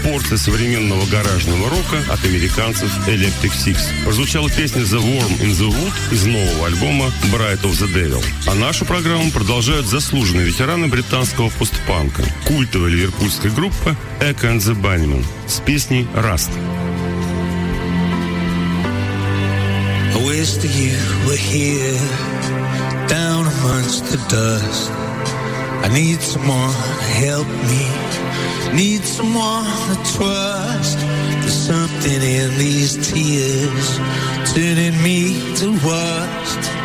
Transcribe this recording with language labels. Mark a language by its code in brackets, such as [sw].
[ru] со современного гаражного рока от американцев Electric Six. Прозвучала песня The Worm in the Wood из нового альбома Bride of the Devil. А нашу программу продолжают заслуженные ветераны британского постпанка, культовая ливерпульская группа Echo and the Bunnymen с песней Rust. [en] I wish that you were here, down amongst the dust. I need someone to help me, need someone to trust. There's something in these tears, turning me to rust.